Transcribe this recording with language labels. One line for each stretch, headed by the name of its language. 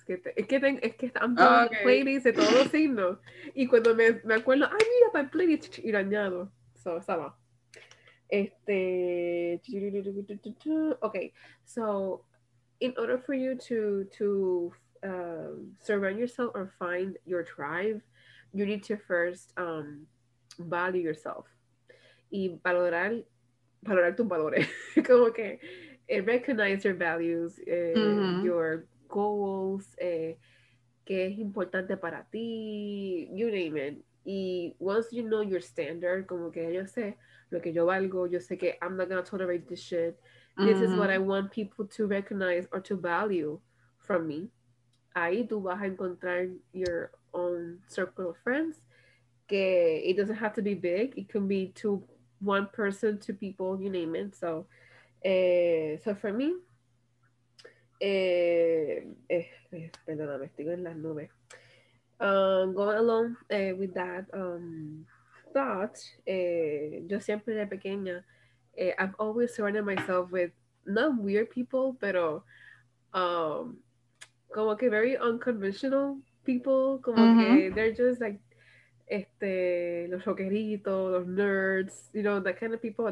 Spanish: Es que están todos los playlists de todos los signos. Y cuando me acuerdo, ay, mira, para el playlist y lo añado. So, esa va. Okay.
English: So, in order for you to surround yourself or find your tribe, you need to first value yourself.
Spanish: Y valorar tus valores. Como que...
English: And recognize your values, your goals, qué es importante para ti, you name it.
Spanish: Y once you know your standard, como que yo sé lo que yo valgo, yo sé que I'm not gonna tolerate this shit. Mm-hmm.
English: This is what I want people to recognize or to value from me. Ahí tú vas a encontrar your own circle of friends, que it doesn't have to be big. It can be to one person, two people, you name it. So...
Spanish: so for me, perdóname, estoy en las nubes.
English: Going along with that thought, yo siempre de pequeña, I've always surrounded myself with not weird people, pero como que very unconventional people, como que they're just like los rockeritos, los nerds, you know, that kind of people.